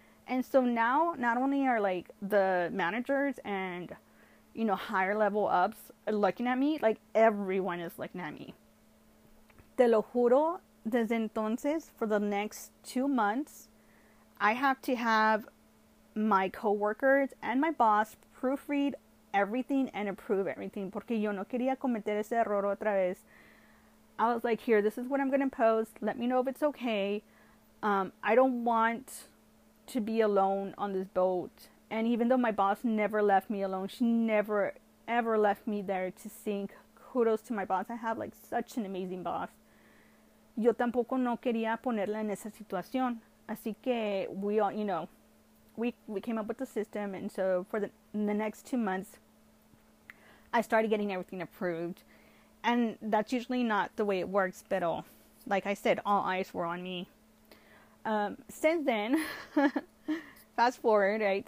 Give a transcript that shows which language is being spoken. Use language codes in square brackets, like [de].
[en] And so now, not only are, like, the managers and, you know, higher-level ups looking at me, like, everyone is looking at me. [es] Te lo juro, desde entonces, [en] for the next 2 months, I have to have my coworkers and my boss proofread everything and approve everything. [es] Porque yo no quería cometer ese error otra vez. [en] I was like, here, this is what I'm going to post. Let me know if it's okay. I don't want to be alone on this boat. And even though my boss never left me alone, she never, ever left me there to sink. Kudos to my boss. I have, like, such an amazing boss. [es] Yo tampoco no quería ponerla en esa situación. Así que [en] we all, you know, we came up with the system. And so for the next 2 months, I started getting everything approved. And that's usually not the way it works. But all, like I said, all eyes were on me. Since then, fast forward, right?